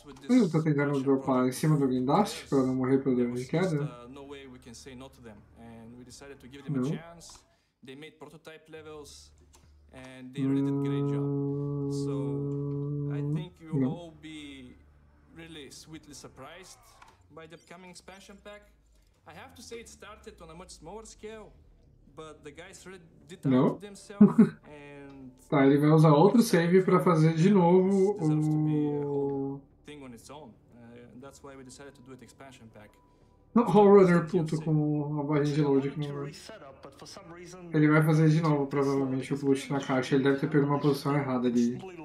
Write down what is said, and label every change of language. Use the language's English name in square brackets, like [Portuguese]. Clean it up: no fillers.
[Portuguese] Eu tô tentando dropar em cima do guindaste pra não morrer pelo dano de queda. Não. [English] They made prototype levels, and they really did a great job. So I think you'll all be really sweetly surprised by the upcoming expansion pack. I have to say it started on a much smaller scale, but the guys really did it themselves. And [Portuguese] tá, ele vai usar outro save para fazer de novo o [English] thing on its own. That's why we decided to do it expansion pack. [Portuguese] Horrorunner puto com a barrinha de load aqui no meu. Ele vai fazer de novo, provavelmente, o boost na caixa. Ele deve ter pego uma posição errada ali.